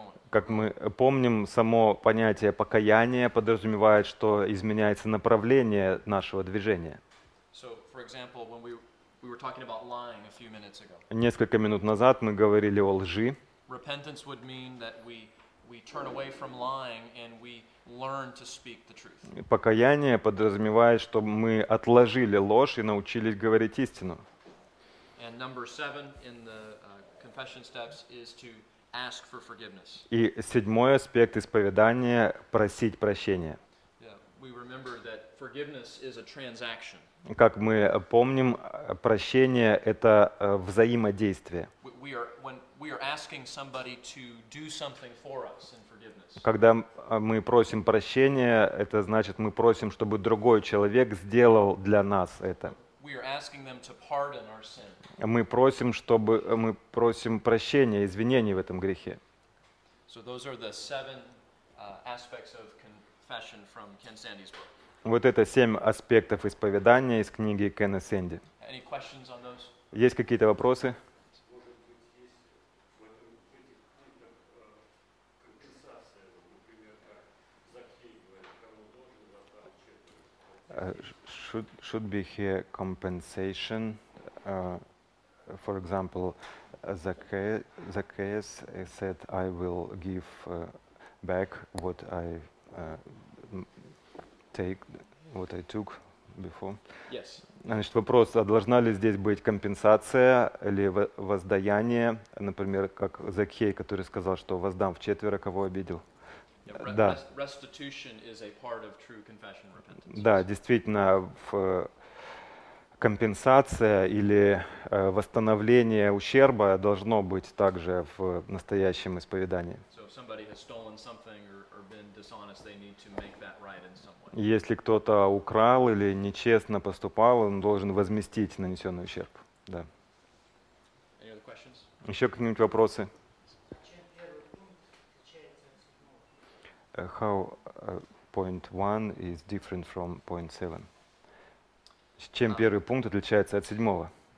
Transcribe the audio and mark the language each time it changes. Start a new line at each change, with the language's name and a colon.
Russian: Как мы помним, само понятие покаяния подразумевает, что изменяется направление нашего движения.
English: So, for example, when we were talking about lying a few minutes ago.
Russian: Несколько минут назад мы говорили о лжи.
English: Repentance would mean that we turn away from lying and we learn to speak the truth.
Russian: Покаяние подразумевает, что мы отложили ложь и научились говорить истину.
English: And number seven in the confession steps is to ask for forgiveness.
Russian: И седьмой аспект исповедания – просить прощения.
English: We remember that forgiveness is a transaction.
Russian: Как мы помним, прощение – это взаимодействие.
English: We are asking somebody to do something for us in forgiveness.
Russian: Когда мы просим прощения, это значит, мы просим, чтобы другой человек сделал для нас это.
English: We are asking them to pardon our sin.
Russian: Мы просим прощения, извинений в этом грехе.
English: So those are the seven aspects of confession from Ken Sandy's book.
Russian: Вот это семь аспектов исповедания из книги Кена Сэнди.
English: Any questions on those?
Russian: Есть какие-то вопросы?
English: Should be here compensation, for example, Zacchaeus said, I will give back what I take, what I took before. Yes.
Russian: Значит, вопрос, а должна ли здесь быть компенсация или воздаяние, например, как Закхей, который сказал, что воздам вчетверо, кого обидел? Да.
English: Restitution is a part of true confession and repentance.
Russian: Да, действительно, компенсация или восстановление ущерба должно быть также в настоящем исповедании.
English: So if somebody has stolen something or been dishonest, they need to make that right in some way.
Russian: Если кто-то украл или нечестно поступал, он должен возместить нанесенный ущерб. Да.
English: Any other questions?
Russian: Еще какие-нибудь вопросы?
English: How point one is different from point seven?
Russian: С чем первый пункт отличается от седьмого?